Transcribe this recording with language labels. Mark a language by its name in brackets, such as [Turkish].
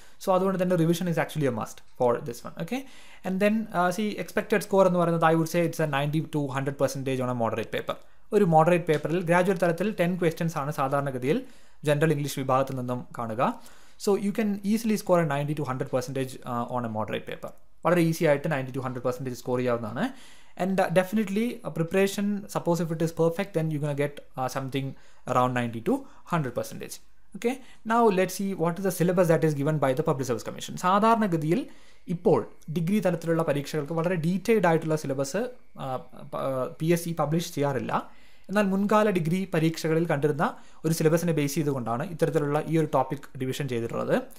[English] So അതുകൊണ്ട് തന്നെ revision is actually a must for this one. Okay, and then C, expected score [Malayalam] എന്ന് പറയുന്നത് [English] I would say it's a 90 to 100% on a moderate paper. [Malayalam] ഒരു moderate പേപ്പറിൽ graduate തലത്തിൽ 10 questions ആണ് സാധാരണഗതിയിൽ general English വിഭാഗത്തിൽ നിന്നും കാണുക. [English] So you can easily score a 90 to 100% on a moderate paper. [Malayalam] വളരെ ഈസി ആയിട്ട് 90 to 100% സ്കോർ ചെയ്യാവുന്നതാണ്. [English] And definitely, preparation, suppose if it is perfect, then you're going to get something around 90 to 100%. Okay, now let's see what is the syllabus that is given by the Public Service Commission. [Malayalam] സാധാരണ ഗതിയിൽ ഇപ്പോൾ degree തലത്തിലുള്ള പരീക്ഷകൾക്ക് വളരെ detailed ആയിട്ടുള്ള syllabus PSC publish ചെയ്യാറില്ല. എന്നാൽ മുൻകാല ഡിഗ്രി പരീക്ഷകളിൽ കണ്ടിരുന്ന ഒരു സിലബസിനെ ബേസ് ചെയ്തുകൊണ്ടാണ് ഇത്തരത്തിലുള്ള ഈ ഒരു ടോപ്പിക് ഡിവിഷൻ ചെയ്തിട്ടുള്ളത്.